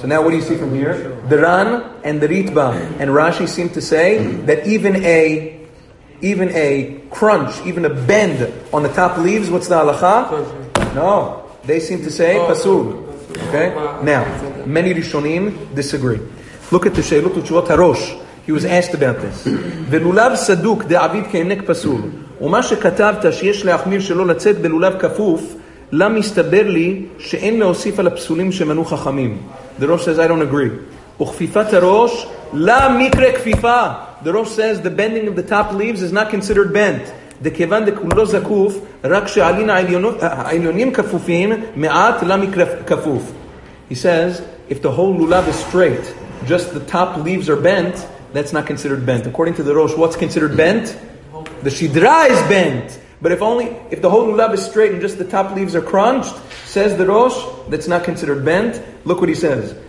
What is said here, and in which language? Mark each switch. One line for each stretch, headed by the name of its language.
English: So now, what do you see from here? The Ran and the Ritba and Rashi seem to say that even a crunch, even a bend on the top leaves, what's the halacha? No, they seem to say pasuk. Okay. Now, many rishonim disagree. Look at the sheilut u'tshuvot harosh. He was asked about this.
Hebrew: ולולב סדוק דעביד כענק פסול. ומה שכתבת שיש להחמיר שלא לצאת בלולב כפוף, למה מסתבר לי שאין להוסיף על הפסולים שמנו חכמים?
English: The Rosh says, I don't agree.
Hebrew: וכפיפת הראש, למקרה כפיפה.
English: The Rosh says, the bending of the top leaves is not considered bent.
Hebrew: דכיוון דכולו זקוף, רק שעלין העליונים כפופים, מעט למקרה כפוף.
English: He says, if the whole lulav is straight, just the top leaves are bent, that's not considered bent. According to the Rosh, what's considered bent? The Shidra is bent. But if the whole lulav is straight and just the top leaves are crunched, says the Rosh, that's not considered bent. Look what he says.